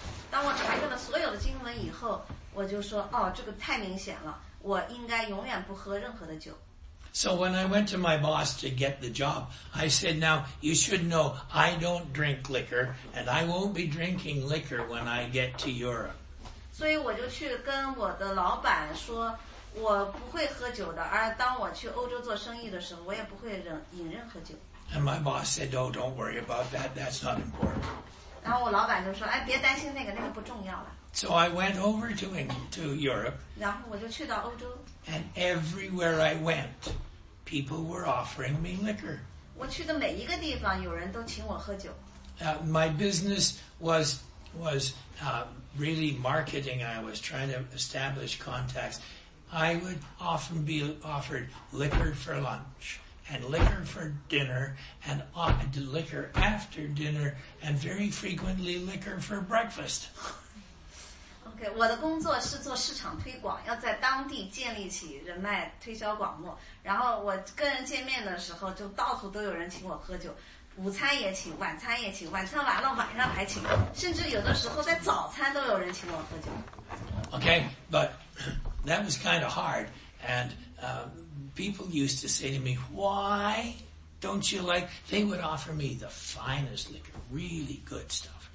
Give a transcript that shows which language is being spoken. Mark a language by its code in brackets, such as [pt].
[zh] 当我查阅了所有的经文以后，我就说，哦，这个太明显了，我应该永远不喝任何的酒。 [en] So when I went to my boss to get the job, I said, now, you should know, I don't drink liquor, and I won't be drinking liquor when I get to Europe. [zh] 所以我就去跟我的老板说，我不会喝酒的，而当我去欧洲做生意的时候，我也不会饮任何酒。 [en] And my boss said, oh, don't worry about that, that's not important. [zh] 然后我老板就说，哎，别担心那个，那个不重要了。 [en] So I went over to Europe. [zh] 然后我就去到欧洲。 [en] And everywhere I went, people were offering me liquor. [zh] 我去的每一个地方，有人都请我喝酒。 [en] My business was really marketing. I was trying to establish contacts. I would often be offered liquor for lunch. And liquor for dinner, and liquor after dinner, and very frequently liquor for breakfast. [zh] Okay, 我的工作是做市场推广，要在当地建立起人脉，推销广末。然后我跟人见面的时候，就到处都有人请我喝酒，午餐也请，晚餐也请，晚上完了晚上还请，甚至有的时候在早餐都有人请我喝酒。 [en] Okay, but that was kind of hard, and people used to say to me, why don't you like, they would offer me the finest liquor, really good stuff.